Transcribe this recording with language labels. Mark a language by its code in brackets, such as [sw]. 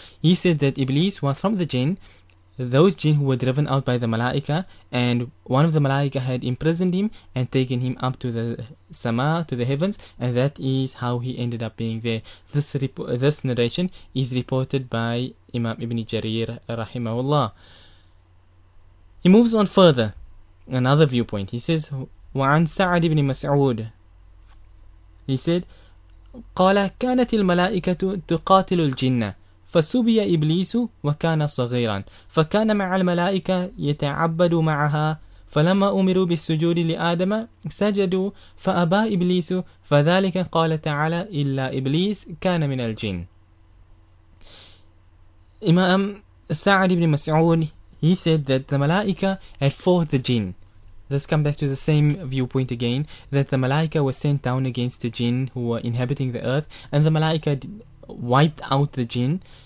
[en] He said that Iblis was from the jinn, those jinn who were driven out by the malaika, and one of the malaika had imprisoned him and taken him up to the sama, to the heavens, and that is how he ended up being there. This narration is reported by Imam Ibn Jarir rahimahullah. He moves on further, another viewpoint. He says, [ar] وَعَنْ سَعَدِ [en] ibn Mas'ud, he said, [ar] قال كانت الملائكة تقاتل الجن فسبي إبليس وكان صغيرا فكان مع الملائكة يتعبد معها فلما أمروا بالسجود لآدم سجدوا فأبى إبليس فذلك قال تعالى إلا إبليس كان من الجن. [en] Imam Sa'ad ibn Mas'ud, he said that the malaika had fought the jinn. Let's come back to the same viewpoint again, that the malaika was sent down against the jinn who were inhabiting the earth, and the malaika wiped out the jinn.